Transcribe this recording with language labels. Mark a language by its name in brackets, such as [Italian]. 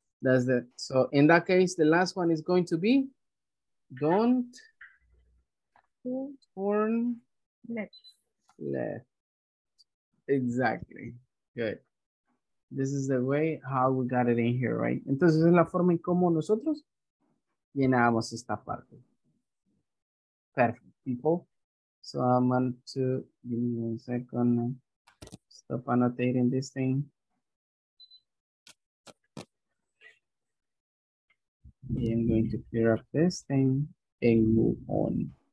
[English] That's the, so in that case, the last one is going to be don't turn left. Exactly. Good. This is the way how we got it in here, right? [Spanish] Entonces es la forma en cómo nosotros llenamos esta parte. [English] Perfect, people. So I'm going to give me one second. Stop annotating this thing. I'm going to clear up this thing and move on.